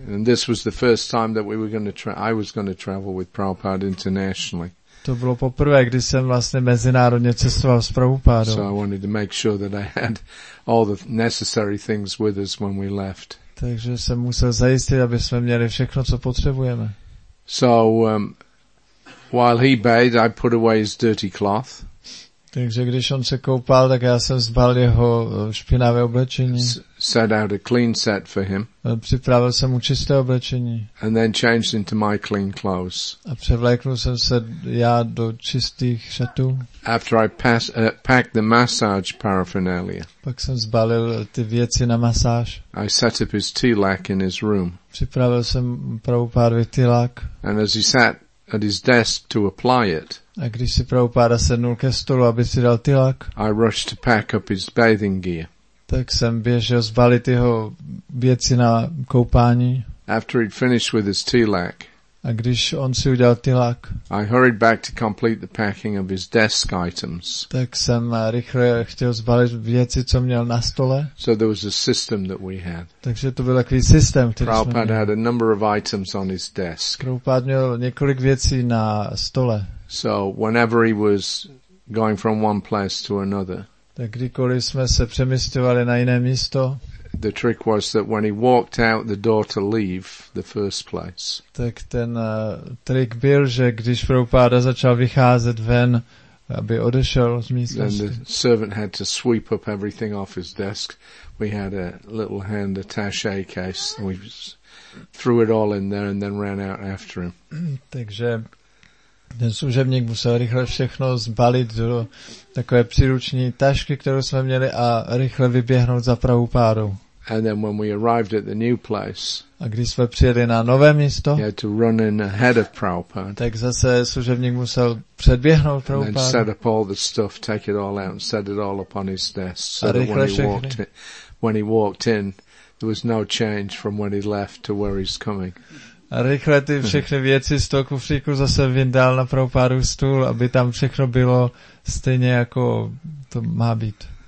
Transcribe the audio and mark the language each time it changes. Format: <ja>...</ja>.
<en>And this was the first time that we were going to I was going to travel with Prabhupada internationally.</en> <cs>To bylo poprvé, kdy jsem vlastně mezinárodně cestoval s Prabhupádou.</cs> <en>So I wanted to make sure that I had all the necessary things with us when we left.</en> <cs>Takže jsem musel zajistit, aby jsme měli všechno, co potřebujeme.</cs> <en>So while he bathed, I put away his dirty cloth.</en> <cs>Takže když on se koupal, tak já jsem zbal jeho špinavé oblečení.</cs> <en>Set out a clean set for him.</en> <cs>Připravil jsem mu čisté oblečení.</cs> <en>And then changed into my clean clothes.</en> <cs>A převlékl jsem se já do čistých šatů.</cs> <en>After I packed the massage paraphernalia.</en> <cs>Pak jsem zbalil ty věci na masáž.</cs> <en>I set up his tealak in his room.</en> <cs>Připravil jsem Prabhupádovi tealak.</cs> <en>And as he sat at his desk to apply it.</en> <cs>A když si Prabhupáda sednul ke stolu, aby si dal tilak,</cs> <en>I rushed to pack up his bathing gear.</en> <cs>Tak jsem běžel zbalit jeho věci na koupání.</cs> <en>After he'd finished with his tilak,</en> <cs>a když on si udělal tilak,</cs> <en>I hurried back to complete the packing of his desk items.</en> <cs>Tak jsem rychle chtěl zbalit věci, co měl na stole.</cs> <en>So there was a system that we had.</en> <cs>Takže to byl takový systém, který Prabhupada jsme měli.</cs> <en>Prabhupada had a number of items on his desk.</en> <cs>Prabhupada měl několik věcí na stole.</cs> <en>So whenever he was going from one place to another,</en> <cs>tak kdykoliv jsme se přemysťovali na jiné místo,</cs> <en>the trick was that when he walked out the door to leave the first place,</en> <cs>tak ten trik byl, že když Prabhupáda začal vycházet ven, aby odešel z místnosti,</cs> <en>then the servant had to sweep up everything off his desk. We had a little hand attaché case. We threw it all in there and then ran out after him.</en> <cs>Takže ten služebník musel rychle všechno zbalit do takové příruční tašky, kterou jsme měli, a rychle vyběhnout za Prabhupádou.</cs> <en>And then when we arrived at the new place,</en> <cs>a když jsme přijeli na nové místo,</cs> <en>he had to run in ahead of Prabhupada.</en> <cs>Tak zase služebník musel předběhnout Prabhupádu.</cs> <en>And then set up all the stuff, take it all out and set it all up on his desk. So when he walked in, there was no change from when he left to where he's coming.</en> <cs>A rychle ty všechny věci z toho kufříku zase vyndal na Prabhupádu stůl, aby tam všechno bylo stejně, jako to má být.</cs>